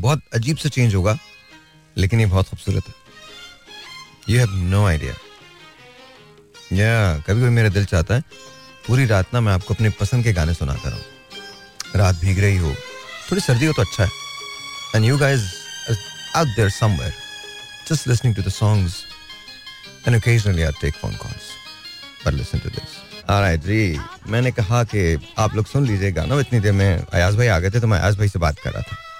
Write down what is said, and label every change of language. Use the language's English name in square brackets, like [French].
[Hindi] बहुत अजीब सा चेंज होगा लेकिन ये बहुत खूबसूरत है. [English] You have no idea. [Hindi] Yeah, कभी कभी मेरा दिल चाहता है पूरी रात ना मैं आपको अपने पसंद के गाने सुनाता रहूँ. रात भीग रही हो, थोड़ी सर्दी हो तो अच्छा है. [English] And you guys, out there somewhere, just listening to the songs, and occasionally I take phone calls. But listen to this. All right, [Hindi] जी, मैंने कहा कि आप लोग सुन लीजिएगा ना, इतनी देर में अयाज भाई आ गए थे तो मैं अयाज भाई से बात कर रहा था.